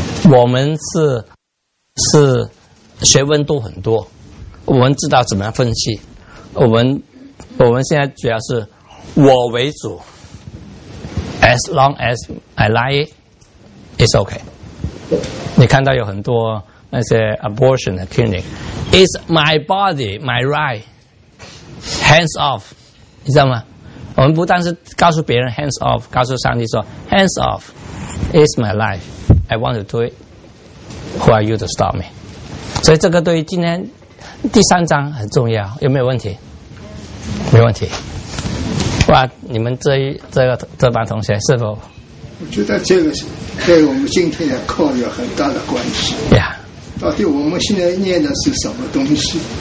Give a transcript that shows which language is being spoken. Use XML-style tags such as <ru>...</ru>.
<zh>我们是学问都很多，我们知道怎么样分析，我们现在主要是我为主，</zh> <en>As long as I like it, it's OK。</en> <zh>你看到有很多那些 abortion clinic，</zh> <en>It's my body, my right,Hands off，</en> <zh>你知道吗？我们不但是告诉别人</zh> <en>hands off，</en> <zh>告诉上帝说</zh> <en>hands off， it's my life， I want to do it， who are you to stop me？</en> <zh>所以这个对于今天第三章很重要，有没有问题？没问题。哇，你们这班同学是否？我觉得这个对我们今天的课有很大的关系。</zh> <en>Yeah.</en> <zh>到底我们现在念的是什么东西？</zh>